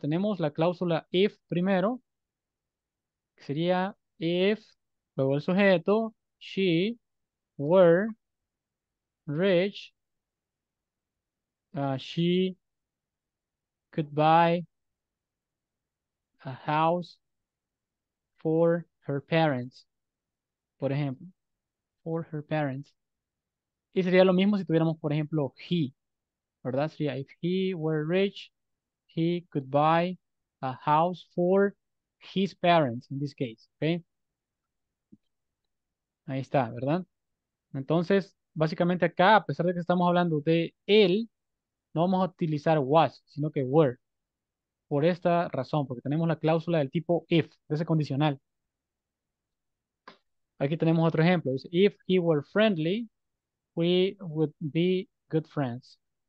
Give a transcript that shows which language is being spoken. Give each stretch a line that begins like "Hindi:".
Spanish: Tenemos la cláusula if primero, que sería if, luego el sujeto,
English: she were rich, she could buy a house for her parents,
Spanish: por ejemplo,
English: for her parents.
Spanish: Y sería lo mismo si tuviéramos, por ejemplo, he, ¿verdad? Sería,
English: if he were rich, he could buy a house for his parents, in this case, okay?
Spanish: Ahí está, ¿verdad? Entonces, básicamente acá, a pesar de que estamos hablando de él, no vamos a utilizar was, sino que were. Por esta razón, porque tenemos la cláusula del tipo if, de ese condicional. Aquí tenemos otro ejemplo. Dice,
English: if he were friendly, we would be good friends.